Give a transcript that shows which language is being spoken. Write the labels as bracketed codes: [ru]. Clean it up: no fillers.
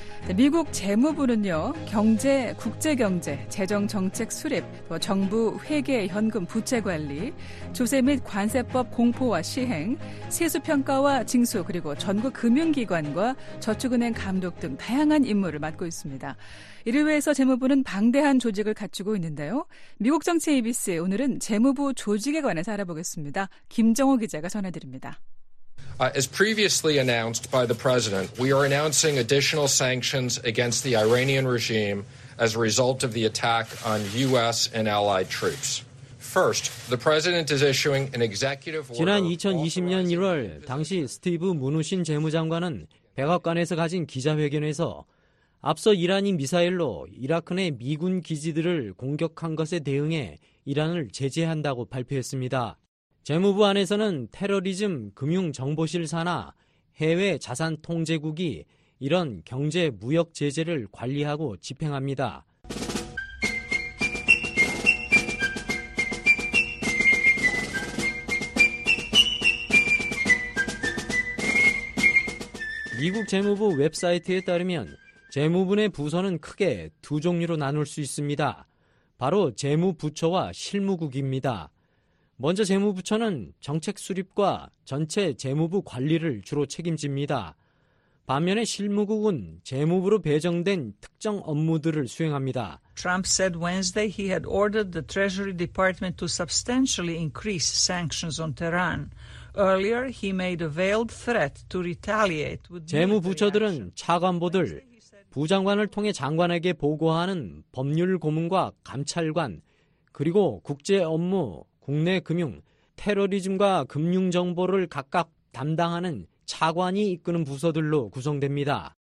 [ko] 네, 미국 재무부는요, 경제, 국제경제, 재정정책 수립, 또 정부 회계 현금 부채 관리, 조세 및 관세법 공포와 시행, 세수평가와 징수, 그리고 전국 금융기관과 저축은행 감독 등 다양한 임무를 맡고 있습니다. 이를 위해서 재무부는 방대한 조직을 갖추고 있는데요. 미국 정치 ABC 오늘은 재무부 조직에 관해서 알아보겠습니다. 김정호 기자가 전해드립니다. [en] As previously announced by the president, we are announcing additional sanctions against the Iranian regime as a result of the attack on U.S. and allied troops. First, the president is issuing an executive order. [ko] 지난 2020년 1월 당시 스티브 무누신 재무장관은 백악관에서 가진 기자회견에서 앞서 이란이 미사일로 이라크 내 미군 기지들을 공격한 것에 대응해 이란을 제재한다고 발표했습니다. 재무부 안에서는 테러리즘 금융정보실 산하 해외 자산 통제국이 이런 경제 무역 제재를 관리하고 집행합니다. 미국 재무부 웹사이트에 따르면 재무부 내 부서는 크게 두 종류로 나눌 수 있습니다. 바로 재무부처와 실무국입니다. 먼저 재무부처는 정책 수립과 전체 재무부 관리를 주로 책임집니다. 반면에 실무국은 재무부로 배정된 특정 업무들을 수행합니다. [en] Trump said Wednesday he had ordered the Treasury Department to substantially increase sanctions on Tehran. Earlier he made a veiled threat to retaliate. [ko] 재무부처들은 차관보들, 부장관을 통해 장관에게 보고하는 법률 고문과 감찰관, 그리고 국제 업무, 국내 금융, 테러리즘과 금융 정보를 각각 담당하는 차관이 이끄는 부서들로 구성됩니다.